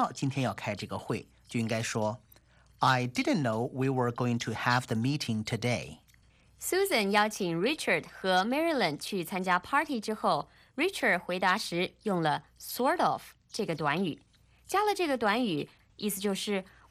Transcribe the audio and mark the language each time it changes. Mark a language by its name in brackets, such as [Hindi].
[Chinese] 这是很意外碰到熟人的时候，很多人就会这么问。重点不在于问他们到底在干什么，而是表示没有想到会在这里遇见他们。如果说我不知道今天要开这个会，就应该说 [English] I didn't know we were going to have the meeting today. [Chinese] Susan 邀请 Richard 和 Marilyn 去参加 party 之后， Richard 回答时用了 sort of 这个短语，加了这个短语，意思就是